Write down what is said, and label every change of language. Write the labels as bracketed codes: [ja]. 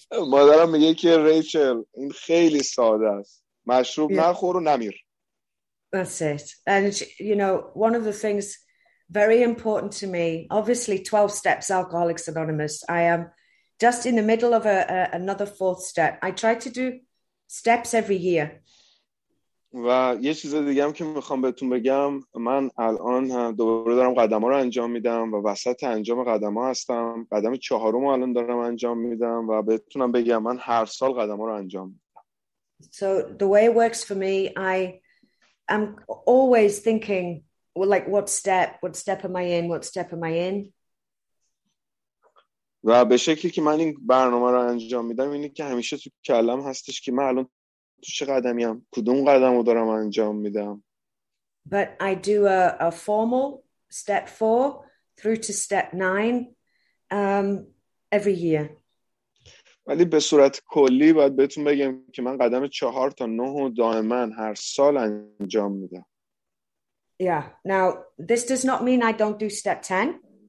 [fa] مادرم میگه که ریچل این خیلی ساده است، مشروب [en] Yeah, [fa] نخور و نمیر. [en] that's it. And you know, one of the things very important to me, obviously, 12 steps Alcoholics Anonymous. I am just in the middle of another fourth step. I try to do steps every year. [fa] و یه چیز دیگه هم که میخوام بهتون بگم، من الان دوباره دارم قدم ها رو انجام میدم و وسط انجام قدم ها هستم. قدم چهارم رو الان دارم انجام میدم و بهتونم بگم من هر سال قدم ها رو انجام میدم. [en] So the way it works for me, I am always thinking, well, like, what step am I in? What step am I in? [fa] و به شکلی که من این برنامه رو انجام میدم اینه که همیشه تو کلم هستش که من الان تو چه قدمی هم، کدوم قدم رو دارم انجام میدم. [en] But I do a formal step four through to step nine every year. [fa] ولی به صورت کلی باید بهتون بگم که من قدم 4 تا 9 رو دائما هر سال انجام میدم. [en] Yeah, now this does not mean I don't do step 10.